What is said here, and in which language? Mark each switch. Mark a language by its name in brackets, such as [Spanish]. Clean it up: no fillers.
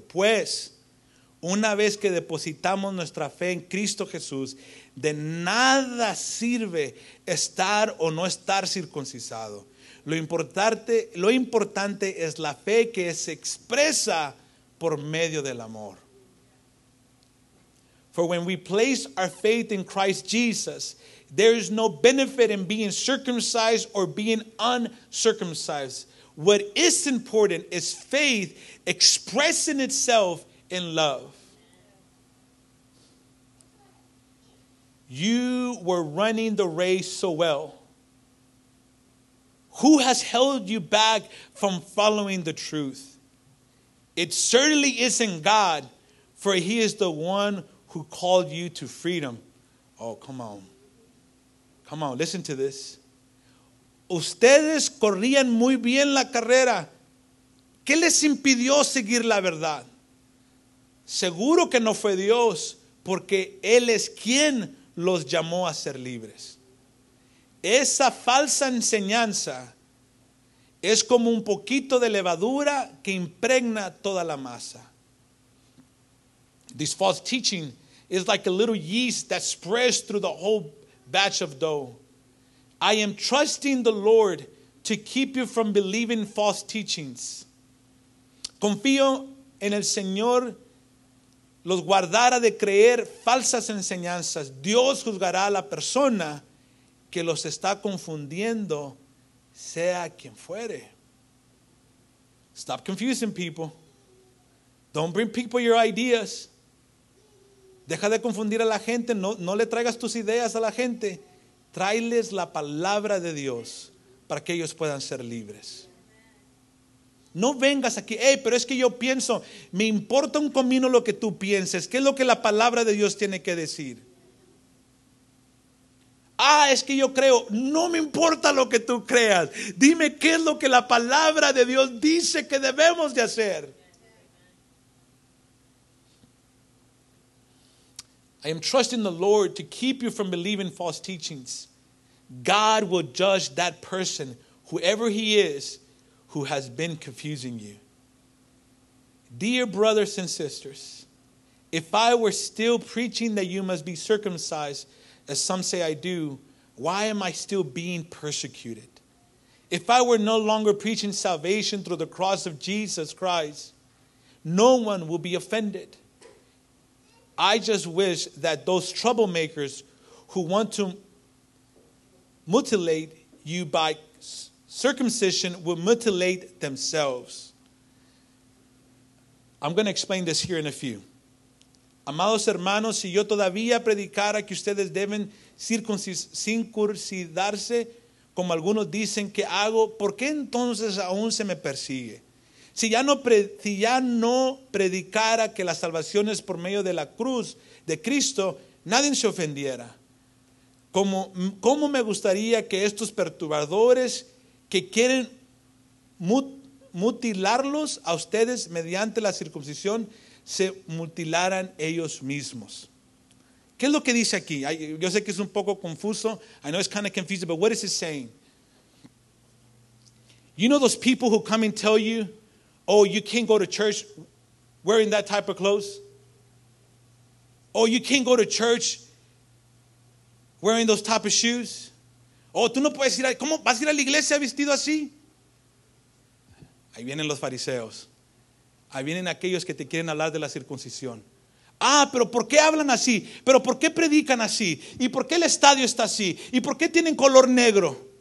[Spanish] Pues, una vez que depositamos nuestra fe en Cristo Jesús, de nada sirve estar o no estar circuncisado. Lo importante es la fe que se expresa por medio del amor. [English] For when we place our faith in Christ Jesus, there is no benefit in being circumcised or being uncircumcised. What is important is faith expressing itself in love. You were running the race so well. Who has held you back from following the truth? It certainly isn't God, for He is the one who called you to freedom. Oh, come on. Come on, listen to this. [Spanish] Ustedes corrían muy bien la carrera. ¿Qué les impidió seguir la verdad? Seguro que no fue Dios, porque Él es quien los llamó a ser libres. Esa falsa enseñanza es como un poquito de levadura que impregna toda la masa. This false teaching is like a little yeast that spreads through the whole batch of dough. I am trusting the Lord to keep you from believing false teachings. Confío en el Señor los guardará de creer falsas enseñanzas. Dios juzgará a la persona que los está confundiendo, sea quien fuere. Stop confusing people. Don't bring people your ideas. Deja de confundir a la gente. No le traigas tus ideas a la gente. Tráeles la palabra de Dios para que ellos puedan ser libres. No vengas aquí, hey, pero es que yo pienso, me importa un comino lo que tú pienses. ¿Qué es lo que la palabra de Dios tiene que decir? Ah, es que yo creo, no me importa lo que tú creas. Dime qué es lo que la palabra de Dios dice que debemos de hacer. [English] I am trusting the Lord to keep you from believing false teachings. God will judge that person, whoever he is, who has been confusing you. Dear brothers and sisters, if I were still preaching that you must be circumcised, as some say I do, why am I still being persecuted? If I were no longer preaching salvation through the cross of Jesus Christ, no one will be offended. I just wish that those troublemakers who want to mutilate you by circumcision will mutilate themselves. I'm going to explain this here in a few. [Spanish] Amados hermanos, si yo todavía predicara que ustedes deben circuncidarse, como algunos dicen que hago, ¿por qué entonces aún se me persigue? Si ya no predicara que la salvación es por medio de la cruz de Cristo, nadie se ofendiera. ¿Cómo me gustaría que estos perturbadores que quieren mutilarlos a ustedes mediante la circuncisión se mutilaran ellos mismos? ¿Qué es lo que dice aquí? Yo sé que es un poco confuso. [English] I know it's kind of confusing, but what is it saying? You know those people who come and tell you, oh, you can't go to church wearing that type of clothes. Oh, you can't go to church wearing those type of shoes. [Spanish] Oh, tú no puedes ir a, ¿cómo vas a ir a la iglesia vestido así? Ahí vienen los fariseos. Ahí vienen aquellos que te quieren hablar de la circuncisión. Ah, pero ¿por qué hablan así? ¿Pero por qué predican así? ¿Y por qué el estadio está así? ¿Y por qué tienen color negro?